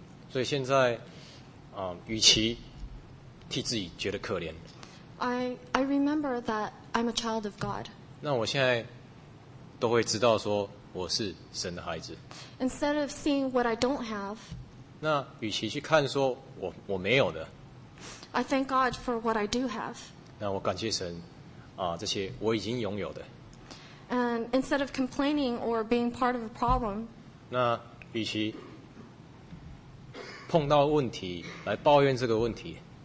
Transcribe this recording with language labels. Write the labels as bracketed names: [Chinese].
[Chinese] 所以现在，与其替自己觉得可怜， [English] I remember that I'm a child of God. [Chinese] 那我现在都会知道说我是神的孩子。 [English] Instead of seeing what I don't have, [Chinese] 那与其去看说我没有的， [English] I thank God for what I do have. [Chinese] 那我感谢神，这些我已经拥有的。 [English] And instead of complaining or being part of the problem, [Chinese] 那与其碰到问题来抱怨这个问题,